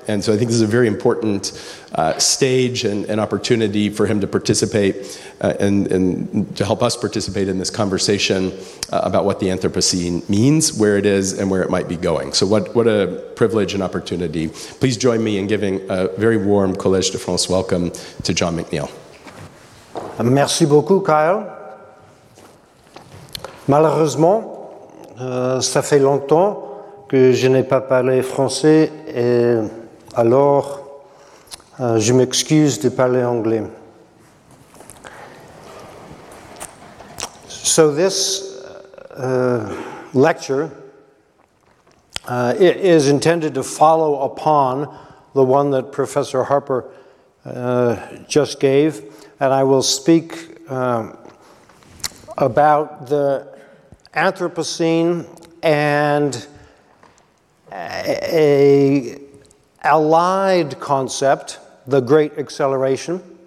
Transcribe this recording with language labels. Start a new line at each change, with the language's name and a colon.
English: And so I think this is a very important stage and an opportunity for him to participate and to help us participate in this conversation about what the Anthropocene means, where it is, and where it might be going. So what a privilege and opportunity. Please join me in giving a very warm Collège de France welcome to John McNeill.
French: Merci beaucoup, Kyle. Malheureusement, ça fait longtemps que je n'ai pas parlé français, et alors je m'excuse de parler anglais.
English: So this lecture it is intended to follow upon the one that Professor Harper just gave, and I will speak about the Anthropocene and a allied concept, the Great Acceleration.